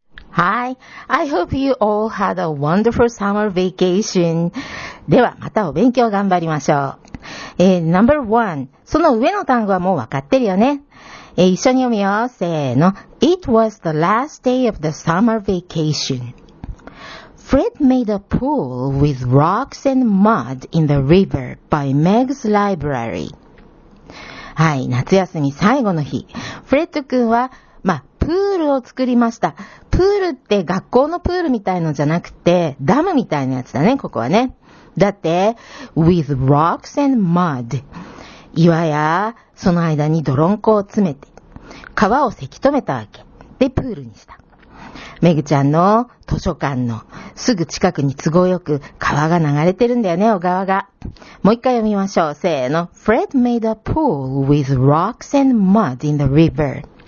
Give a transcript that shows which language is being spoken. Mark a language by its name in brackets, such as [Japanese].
[English] Hi, I hope you all had a wonderful summer vacation. [Japanese] ではまたお勉強頑張りましょう。 [English] Number one, [Japanese] その上の単語はもう分かってるよね。一緒に読みよう。せーの。 [English] It was the last day of the summer vacation. Fred made a pool with rocks and mud in the river by Meg's library. [Japanese] はい、夏休み最後の日。フレッド君は、プールを作りました。プールって学校のプールみたいのじゃなくて、ダムみたいなやつだね、ここはね。 [English] だって、with rocks and mud。 [Japanese] 岩や、その間に泥んこを詰めて、川をせき止めたわけ。で、プールにした。メグちゃんの図書館のすぐ近くに都合よく川が流れてるんだよね、小川が。もう一回読みましょう。せーの。 [English] Fred made a pool with rocks and mud in the river.